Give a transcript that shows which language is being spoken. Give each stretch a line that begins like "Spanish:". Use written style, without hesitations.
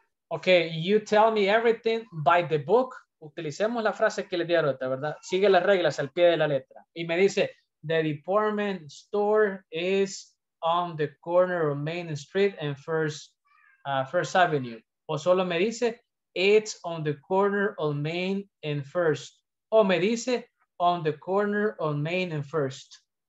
English: Okay, you tell me everything by the book.
Spanish: Utilicemos la frase que le di ahorita, ¿verdad? Sigue las reglas al pie de la letra. Y me dice,
English: the department store is on the corner of Main Street and First Avenue.
Spanish: O solo me dice,
English: it's on the corner of Main and First.
Spanish: O me dice,
English: on the corner of Main and First.